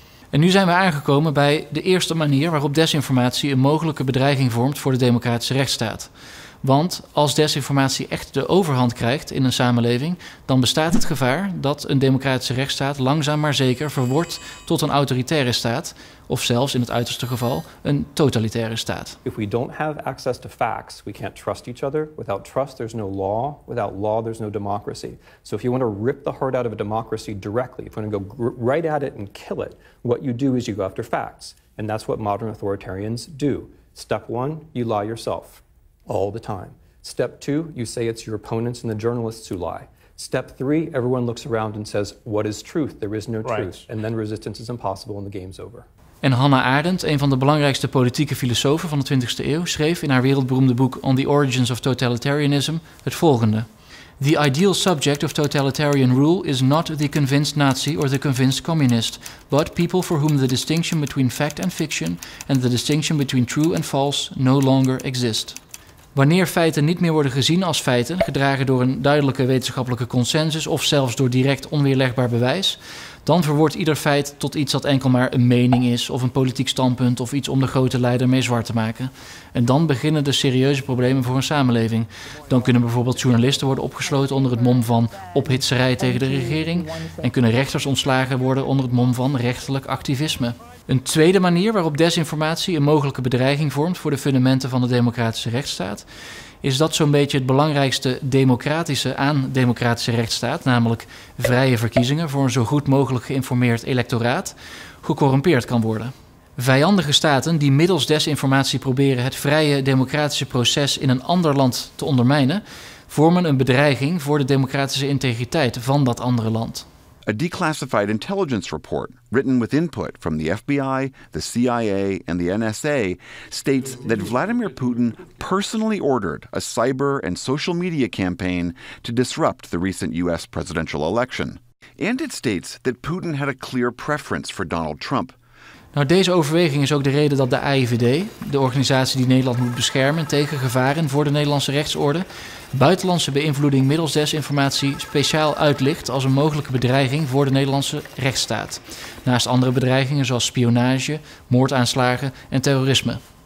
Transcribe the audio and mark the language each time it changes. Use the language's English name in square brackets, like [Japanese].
[Dutch] En nu zijn we aangekomen bij de eerste manier waarop desinformatie een mogelijke bedreiging vormt voor de democratische rechtsstaat. Want als desinformatie echt de overhand krijgt in een samenleving, dan bestaat het gevaar dat een democratische rechtsstaat langzaam maar zeker verwordt tot een autoritaire staat, of zelfs in het uiterste geval een totalitaire staat. [English] If we don't have access to facts, we can't trust each other. Without trust, there's no law. Without law, there's no democracy. So if you want to rip the heart out of a democracy directly, if you want to go right at it and kill it, what you do is you go after facts. And that's what modern authoritarians do. Step one, you lie yourself. All the time. Step two, you say it's your opponents and the journalists who lie. Step three, everyone looks around and says, what is truth? There is no truth. And then resistance is impossible and the game's over. [Dutch] En Hannah Arendt, een van de belangrijkste politieke filosofen van de 20e eeuw, schreef in haar wereldberoemde boek On the Origins of Totalitarianism het volgende. [English] The ideal subject of totalitarian rule is not the convinced Nazi or the convinced communist, but people for whom the distinction between fact and fiction and the distinction between true and false no longer exist. [Dutch] Wanneer feiten niet meer worden gezien als feiten, gedragen door een duidelijke wetenschappelijke consensus of zelfs door direct onweerlegbaar bewijs, dan verwoordt ieder feit tot iets dat enkel maar een mening is of een politiek standpunt of iets om de grote leider mee zwart te maken. En dan beginnen de serieuze problemen voor een samenleving. Dan kunnen bijvoorbeeld journalisten worden opgesloten onder het mom van ophitserij tegen de regering en kunnen rechters ontslagen worden onder het mom van rechtelijk activisme. Een tweede manier waarop desinformatie een mogelijke bedreiging vormt voor de fundamenten van de democratische rechtsstaat, is dat zo'n beetje het belangrijkste democratische aan democratische rechtsstaat, namelijk vrije verkiezingen voor een zo goed mogelijk geïnformeerd electoraat, gecorrumpeerd kan worden. Vijandige staten die middels desinformatie proberen het vrije democratische proces in een ander land te ondermijnen, vormen een bedreiging voor de democratische integriteit van dat andere land. [English] A declassified intelligence report, written with input from the FBI, the CIA, and the NSA, states that Vladimir Putin personally ordered a cyber and social media campaign to disrupt the recent U.S. presidential election. And it states that Putin had a clear preference for Donald Trump. [Dutch] Nou, deze overweging is ook de reden dat de AIVD, de organisatie die Nederland moet beschermen tegen gevaren voor de Nederlandse rechtsorde, buitenlandse beïnvloeding middels desinformatie speciaal uitlicht als een mogelijke bedreiging voor de Nederlandse rechtsstaat. Naast andere bedreigingen zoals spionage, moordaanslagen en terrorisme.